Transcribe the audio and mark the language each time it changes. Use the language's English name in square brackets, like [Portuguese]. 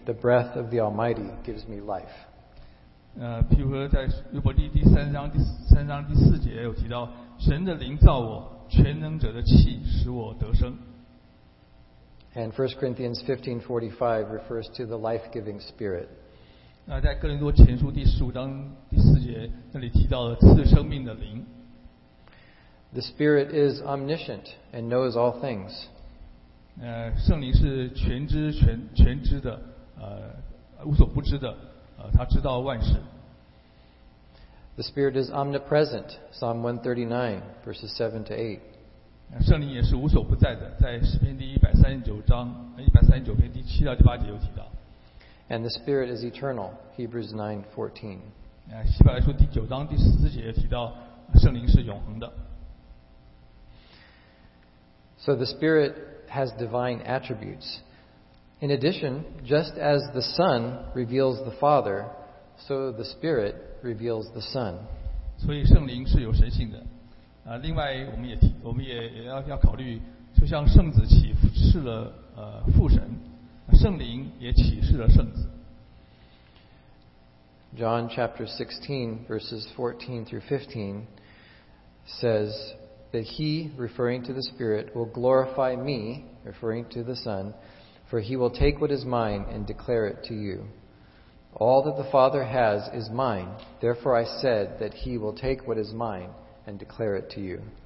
[English] The breath of the Almighty gives me life. [Chinese] 譬如说在约伯记第3章第4节有提到，神的灵造我，全能者的气使我得生。 [English] And 1 Corinthians 15:45 refers to the life-giving Spirit. [Chinese] 在哥林多前书第15章第4节那里提到了赐生命的灵。 [English] The Spirit is omniscient and knows all things. [Chinese] 圣灵是全知的，无所不知的，他知道万事。 [English] The Spirit is omnipresent, Psalm 139, verses 7 to 8. [Chinese] 圣灵也是无所不在的，在诗篇第139篇第7到第8节有提到。 [English] And the Spirit is eternal, Hebrews 9:14. [Chinese] 希伯来书第9章第14节也提到，圣灵是永恒的。 [English] So the Spirit has divine attributes. In addition, just as the Son reveals the Father, so the Spirit reveals the Son. [Chinese] 所以圣灵是有神性的。另外我们也要考虑，就像圣子启示了父神，圣灵也启示了圣子。 [English] John chapter 16 verses 14 through 15 says that he, referring to the Spirit, will glorify me, referring to the Son, for he will take what is mine and declare it to you. All that the Father has is mine. Therefore I said that he will take what is mine and declare it to you.